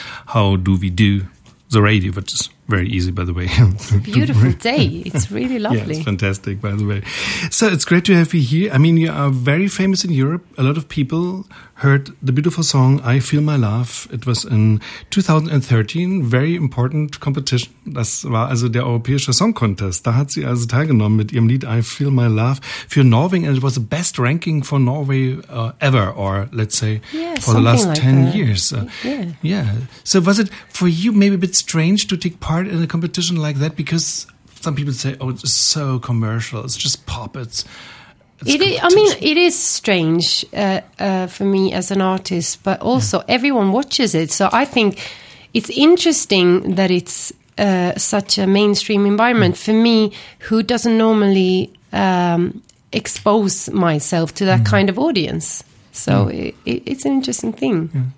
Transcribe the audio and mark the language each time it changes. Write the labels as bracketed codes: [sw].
[en] How do we do the radio, which is very easy, by the way. Beautiful day. It's really lovely. Yeah, it's fantastic, by the way. So it's great to have you here. I mean, you are very famous in Europe. A lot of people heard the beautiful song, I Feel My Love. It was in 2013, very important competition. [de] Das war also der Europäische Song Contest. Da hat sie also teilgenommen mit ihrem Lied, I Feel My Love, für Norwegen. [en] And it was the best ranking for Norway ever, or let's say, for the last 10 years. So was it for you maybe a bit strange to take part in a competition like that, because some people say, oh, it's so commercial, it's just pop, it is strange for me as an artist, but also everyone watches it, so I think it's interesting that it's such a mainstream environment for me, who doesn't normally expose myself to that kind of audience, so it's an interesting thing.